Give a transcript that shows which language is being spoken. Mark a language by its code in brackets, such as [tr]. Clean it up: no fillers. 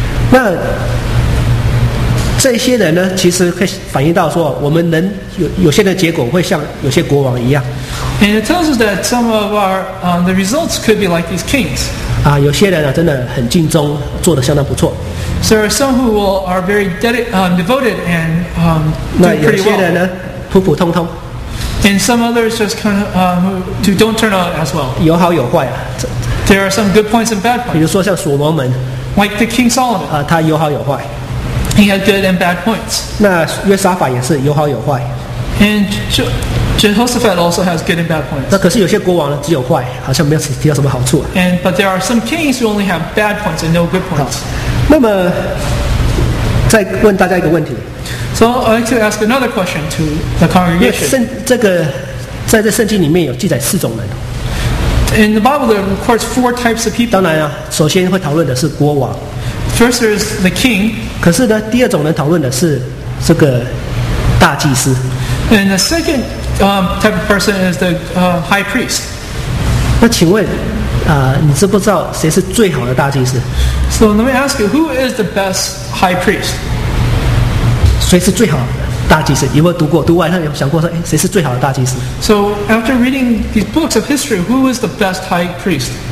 [zh] 那这些人呢，其实可以反映到说，我们人有些的结果会像有些国王一样。 [en] And it tells us that some of our the results could be like these kings. [zh] 啊，有些人啊，真的很尽忠，做得相当不错。 [en] So there are some who are very devoted and do pretty well. [zh] 那有些人呢，普普通通。 [en] And some others just kind of who don't turn out as well. [zh] 有好有坏啊。 [en] There are some good points and bad points. [zh] 比如说像所罗门。 [en] Like the King Solomon. [zh] 啊，他有好有坏。 [en] He had good and bad points. [zh] 那约沙法也是有好有坏。 [en] And Jehoshaphat also has good and bad points. [zh] 那可是有些国王呢，只有坏，好像没有提到什么好处、啊。 [en] And but there are some kings who only have bad points and no good points. [zh] 那么再问大家一个问题。 [en] So I'd like to ask another question to the congregation. [zh] 在这圣经里面有记载四种人。 [en] In the Bible, there are of course four types of people. [zh] 当然啊，首先会讨论的是国王。 [en] First is the king. [zh] 可是呢，第二种人讨论的是这个大祭司。 [en] And the second type of person is the high priest. [zh] 那请问，你知不知道谁是最好的大祭司 [en] ？So let me ask you, who is the best high priest? [zh] 谁是最好的大祭司？有没有读过？读完后有想过说，谁是最好的大祭司 [en] ？So after reading these books of history, who is the best high priest?